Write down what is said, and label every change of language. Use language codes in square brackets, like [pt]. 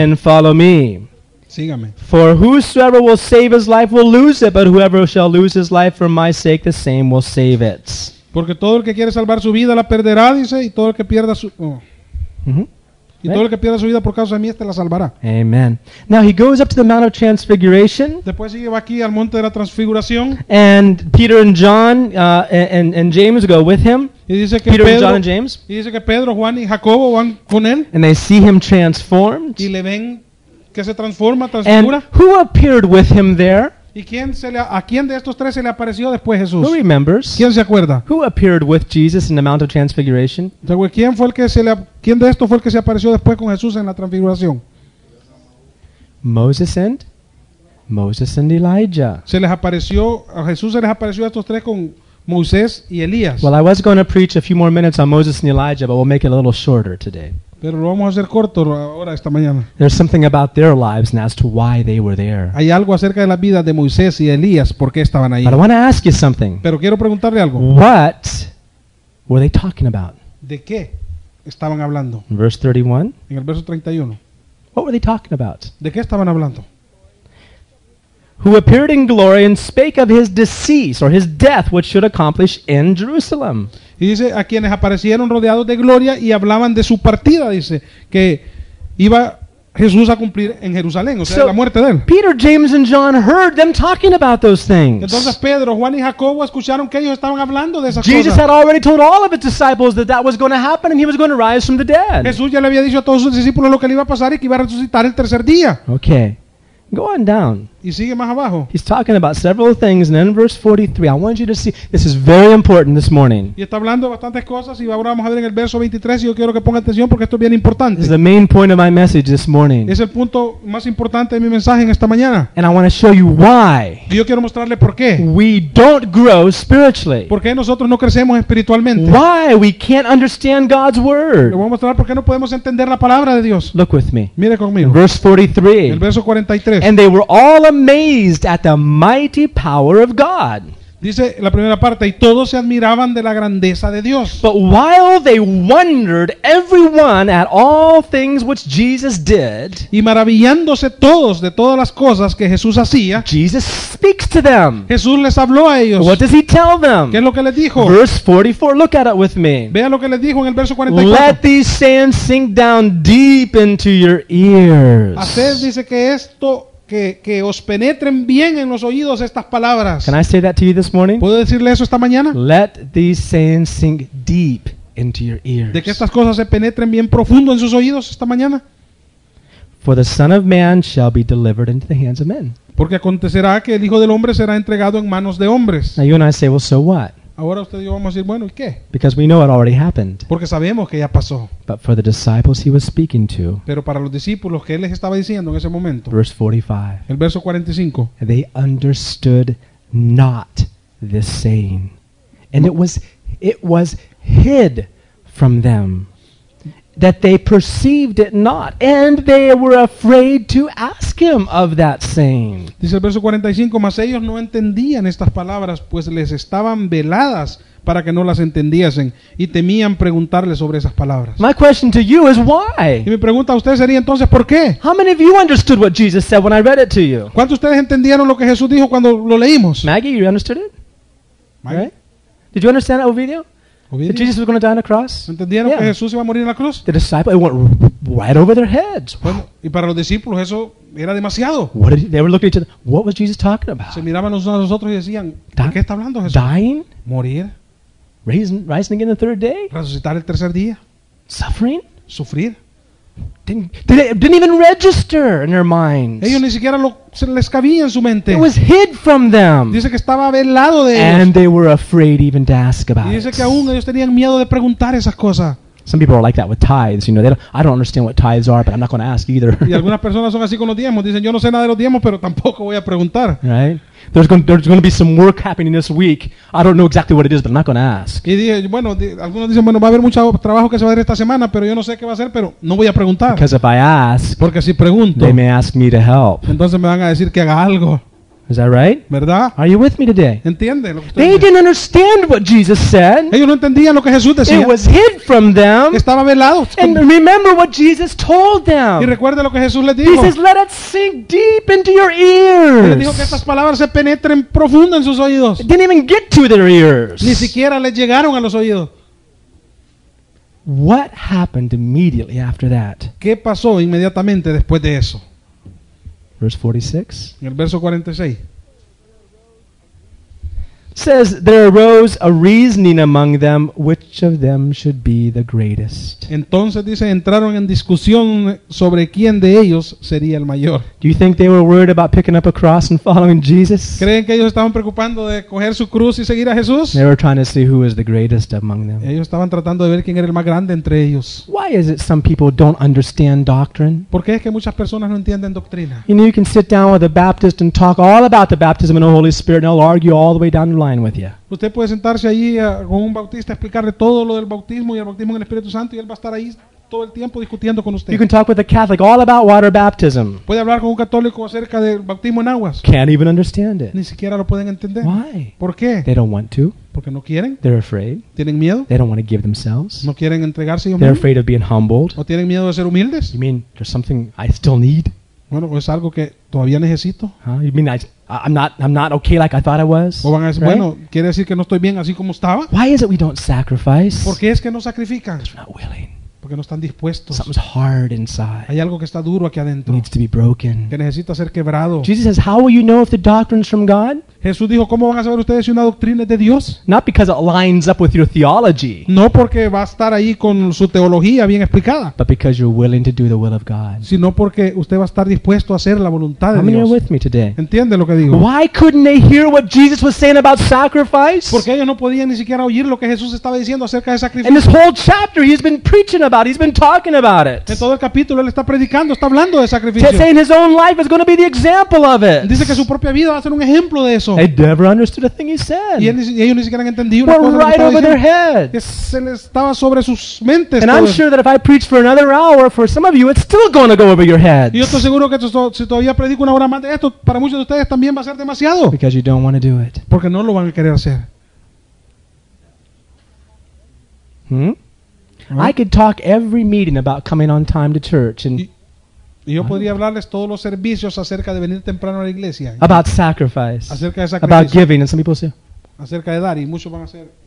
[en] And follow me. [es] Sígame. [en] For whosoever will save his life will lose it, but whoever shall lose his life for my sake, the same will save it. [es] Porque todo el que quiere salvar su vida la perderá, dice, y todo el que pierda su... Oh. Mm-hmm. Y right. Todo el que pierda su vida por causa de mí, este la salvará. [en] Amen. Now he goes up to the Mount of Transfiguration. [es] Después sigue aquí al Monte de la Transfiguración. [en] And Peter and John and James go with him. [es] Y dice que [en] Peter [es] Pedro, [en] and John and James. [es] Y dice que Pedro, Juan y Jacobo van con él. [en] And they see him transformed. [es] Y le ven que se transforma, transfigura. [en] And who appeared with him there? [es] ¿Y quién a quién de estos tres se le apareció después Jesús? [en] Who remembers? [es] ¿Quién se acuerda? [en] Who appeared with Jesus in the Mount of Transfiguration? [es] ¿Quién de estos fue el que se apareció después con Jesús en la transfiguración? [en] Moses and Elijah. [es] Se les apareció a estos tres con Moisés y Elías. [en] Well, I was going to preach a few more minutes on Moses and Elijah, but we'll make it a little shorter today. [es] Pero lo vamos a hacer corto ahora esta mañana. [en] There's something about their lives and as to why they were there. [es] Hay algo acerca de la vida de Moisés y Elías, por qué estaban ahí. [en] But I want to ask you something. [es] Pero quiero preguntarle algo. [en] What were they talking about? [es] ¿De qué estaban hablando? [en] Verse 31. [es] En el verso 31. [en] What were they talking about? [es] ¿De qué estaban hablando? [en] who appeared in glory and spake of his decease or his death which should accomplish in Jerusalem. [es] Y dice, a quienes aparecieron rodeados de gloria y hablaban de su partida, dice, que iba Jesús a cumplir en Jerusalén, o sea, [en] so [es] la muerte de él. [en] Peter, James and John heard them talking about those things. [es] Entonces Pedro, Juan y Jacobo escucharon que ellos estaban hablando de esas [en] Jesus [es] cosas. [en] Jesus had already told all of his disciples that that was going to happen and he was going to rise from the dead. [es] Jesús ya le había dicho a todos sus discípulos lo que le iba a pasar y que iba a resucitar el tercer día. [en] Okay. Go on down. [es] Y sigue más abajo. [en] He's talking about several things, and then in verse 43, I want you to see, this is very important this morning. [es] Y está hablando bastantes cosas, y ahora vamos a ver en el verso 23, y yo quiero que ponga atención porque esto es bien importante. [en] This is the main point of my message this morning. [es] Es el punto más importante de mi mensaje en esta mañana. [en] And I want to show you why. [es] Y yo quiero mostrarle por qué. [en] We don't grow spiritually. [es] ¿Por qué nosotros no crecemos espiritualmente? [en] Why we can't understand God's word. [es] Le voy a mostrar por qué no podemos entender la palabra de Dios. [en] Look with me. [es] Mire conmigo. [en] In verse 43. [es] El verso 43. [en] And they were all amazed at the mighty power of God. [es] Dice la primera parte, y todos se admiraban de la grandeza de Dios. [en] But while they wondered, everyone at all things which Jesus did, [es] y maravillándose todos de todas las cosas que Jesús hacía, [en] Jesus speaks to them. [es] Jesús les habló a ellos. [en] What does he tell them? [es] ¿Qué es lo que les dijo? [en] Verse 44, look at it with me. [es] Vea lo que les dijo en el verso 44. [en] Let these sayings sink down deep into your ears. [es] Hacer dice que esto que os penetren bien en los oídos estas palabras. [en] Can I say that to you this morning? [es] ¿Puedo decirle eso esta mañana? [en] Let these sayings sink deep into your ears. [es] De que estas cosas se penetren bien profundo en sus oídos esta mañana. [en] For the Son of Man shall be delivered into the hands of men. [es] Porque acontecerá que el Hijo del Hombre será entregado en manos de hombres. [en] Now you and I say, well, so what? [es] Ahora usted y yo vamos a decir, bueno, ¿y qué? [en] Because we know it already happened. [es] Porque sabemos que ya pasó. [en] But for the disciples he was speaking to. [es] Pero para los discípulos que él les estaba diciendo en ese momento. [en] Verse 45. [es] El verso 45. [en] They understood not this saying. And it was hid from them that they perceived it not, and they were afraid to ask him of that saying. [es] Dice el verso 45, mas ellos no entendían estas palabras, pues les estaban veladas para que no las entendiesen, y temían preguntarle sobre esas palabras. [en] My question to you is why? [es] Y mi pregunta a ustedes sería entonces, ¿por qué? [en] How many of you understood what Jesus said when I read it to you? [es] ¿Cuántos de ustedes entendieron lo que Jesús dijo cuando lo leímos? [en] Maggie, you understood it? Maggie? Right? Did you understand that video? That Jesus was going to die on the cross. [es] ¿Entendieron que Jesús iba a morir en la cruz? [en] The disciples, it went right over their heads. [es] Bueno, y para los discípulos eso era demasiado. [en] What did they were looking at each other? What was Jesus talking about? [es] Se miraban unos a los otros y decían, ¿de qué está hablando Jesús? [en] Dying? [es] Morir. [en] Rising again the third day? [es] Resucitar el tercer día. [en] Suffering? [es] Sufrir. [en] Didn't even register in their minds. [es] Ellos ni siquiera se les cabía en su mente. [en] It was hid from them. [es] Dice que estaba velado de ellos. [en] And they were afraid even to ask about. [es] Y dice que aún ellos tenían miedo de preguntar esas cosas. [en] Some people are like that with tithes. You know, I don't understand what tithes are, but I'm not going to ask either. [es] Y algunas personas son así con los diezmos. Dicen, yo no sé nada de los diezmos, pero tampoco voy a preguntar. [en] Right? There's going to be some work happening this week. I don't know exactly what it is, but I'm not going to ask. [es] Y dije, bueno, algunos dicen, bueno, va a haber mucho trabajo que se va a hacer esta semana, pero yo no sé qué va a ser, pero no voy a preguntar. [en] Because if I ask, [es] porque si pregunto, [en] they may ask me to help. [es] Entonces me van a decir que haga algo. [en] Is that right? [es] ¿Verdad? [en] Are you with me today? [es] ¿Entiende lo que estoy diciendo? [en] They didn't understand what Jesus said. [es] Ellos no entendían lo que Jesús decía. [en] It was hid from them. [es] Estaba velado. [en] And remember what Jesus told them. [es] Y recuerde lo que Jesús les dijo. [en] He says, let it sink deep into your ears. [es] Él dijo que estas palabras se penetren profundo en sus oídos. [en] It didn't even get to their ears. [es] Ni siquiera les llegaron a los oídos. [en] What happened immediately after that? [es] ¿Qué pasó inmediatamente después de eso? [en] Verse 46. [es] En el verso 46. [en] Says, there arose a reasoning among them which of them should be the greatest. [es] Entonces dice, entraron en discusión sobre quién de ellos sería el mayor. [en] Do you think they were worried about picking up a cross and following Jesus? [es] ¿Creen que ellos estaban preocupando de coger su cruz y seguir a Jesús? [en] They were trying to see who was the greatest among them. [es] Ellos estaban tratando de ver quién era el más grande entre ellos. [en] Why is it some people don't understand doctrine? [es] ¿Por qué es que muchas personas no entienden doctrina? [en] You know, you can sit down with a Baptist and talk all about the baptism in the Holy Spirit, and they'll argue all the way down the line with you. [es] Usted puede sentarse allí con un bautista, explicarle todo lo del bautismo y el bautismo en el Espíritu Santo, y él va a estar ahí todo el tiempo discutiendo con usted. [en] You can talk with a Catholic all about water baptism. [es] Puede hablar con un católico acerca del bautismo en aguas. [en] Can't even understand it. [es] Ni siquiera lo pueden entender. [en] Why? [es] ¿Por qué? [en] They don't want to. [es] Porque no quieren. [en] They're afraid. [es] Tienen miedo. [en] They don't want to give themselves. [es] No quieren entregarse. [en] They're afraid of being humbled. [es] ¿O tienen miedo de ser humildes? [en] You mean there's something I still need? [es] Bueno, pues algo que todavía necesito. [en] You mean I'm not okay like I thought I was? [es] O van a decir, right? Bueno, quiere decir que no estoy bien así como estaba. [en] Why is it we don't sacrifice? [es] ¿Por qué es que no sacrifican? [en] Because we're not willing. [es] Porque no están dispuestos. [en] Something's hard inside. [es] Hay algo que está duro aquí adentro. [en] Needs to be broken. [es] Que necesita ser quebrado. [en] Jesus says, "How will you know if the doctrine's from God?" [es] Jesús dijo, ¿cómo van a saber ustedes si una doctrina es de Dios? [en] Not because it lines up with your theology. [es] No porque va a estar ahí con su teología bien explicada. [en] But because you're willing to do the will of God. [es] Sino porque usted va a estar dispuesto a hacer la voluntad de Dios. [en] Are you with me today? [es] ¿Entiende lo que digo? [en] Why couldn't they hear what Jesus was saying about sacrifice? [es] Porque ellos no podían ni siquiera oír lo que Jesús estaba diciendo acerca de sacrificio. [en] And this whole chapter he's been preaching about it. He's been talking about it. [es] En todo el capítulo él está predicando, está hablando de sacrificio. [en] He's saying his own life is going to be the example of it. [es] Dice que su propia vida va a ser un ejemplo de eso. [en] They never understood a thing he said. [es] Y ellos ni siquiera entendían. [en] Were right over their heads. [es] Se les estaba sobre sus mentes. [en] And I'm sure that if I preach for another hour, for some of you, it's still going to go over your heads. [es] Yo estoy seguro que si todavía predico una hora más de esto, para muchos de ustedes también va a ser demasiado. [en] Because you don't want to do it. [es] Porque no lo van a querer hacer. [en] I could talk every meeting about coming on time to church and. [es] Y yo podría hablarles todos los servicios acerca de venir temprano a la iglesia. [en] About sacrifice. [es] Acerca de sacrificio. [en] About giving, and some people say. [es] Acerca de dar, y muchos van a hacer.